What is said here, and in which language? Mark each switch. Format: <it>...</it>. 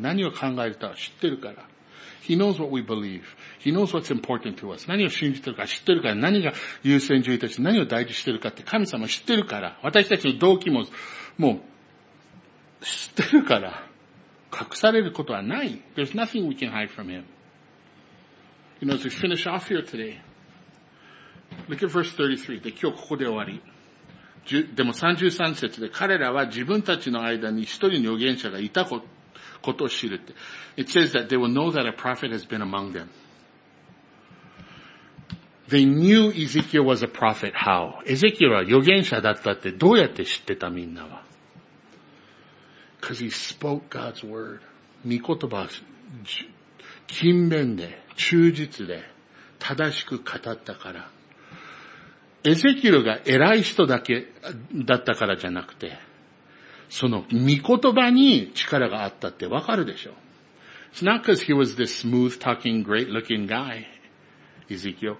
<ja>何を考えるか知ってるから。</ja> <en>He knows what we believe. He knows what's important to us.</en> <ja>何を信じてるか知ってるから。何が優先順位として何を大事してるかって神様は知ってるから。私たちの動機ももう知ってるから。隠されることはない。</ja> <en>There's nothing we can hide from Him. You know, as we finish off here today, look at verse 33.</en> <ja>で、今日ここで終わり。でも33節で彼らは自分たちの間に一人の預言者がいたことを知るって。</ja> <en>It says that they will know that a prophet has been among them. They knew Ezekiel was a prophet. How?</en> <ja>エゼキエルは預言者だったってどうやって知ってたみんなは</ja> <en>Because he spoke God's word.</en> <ja>御言葉は勤勉で、忠実で、正しく語ったから。エゼキエルが偉い人だけだったからじゃなくて、その御言葉に力があったってわかるでしょ。</ja> <en>It's not because he was this smooth-talking, great-looking guy, Ezekiel.</en>